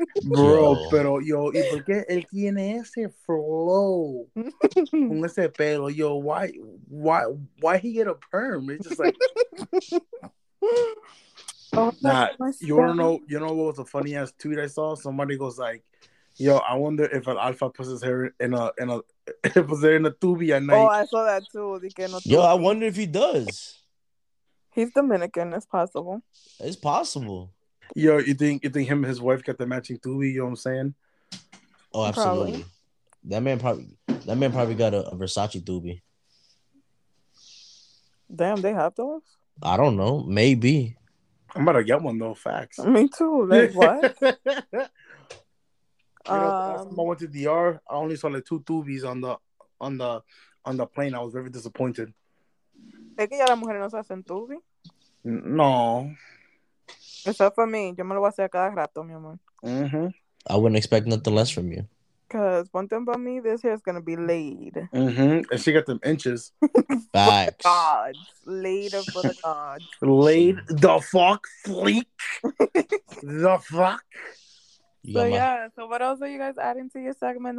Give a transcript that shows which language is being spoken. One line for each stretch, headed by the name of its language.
Spanish: Bro, pero yo, ¿y por qué él tiene ese flow? Con ese pelo,
English: yo, why he get a perm? It's just like, you don't know what was a funny ass tweet I saw? Somebody goes like, yo, I wonder if an alpha puts his hair in a if was there in a tubi at night. Oh, I saw that too. Yo, I wonder if he does. He's Dominican. It's possible. It's possible. Yo, you think him and his wife got the matching tubi? You know what I'm saying? Oh, absolutely. Probably. That man probably got a Versace tubi. Damn, they have those? I don't know. Maybe. I'm about to get one though. Facts. Me too. Like what? You know, last time I went to DR, I only saw like two tubies on the plane. I was very disappointed.
Spanish: ¿Es que ya las mujeres no se hacen tubi? No. Eso es para mí. Yo me lo voy a hacer cada rato, mi amor.
English: I wouldn't expect nothing less from you. Because one thing about me, this hair is going to be laid. And she got them inches. Facts. For the gods. Laid for the gods. Laid the fuck, fleek. The fuck. So yeah, so what else are you guys adding to your segment?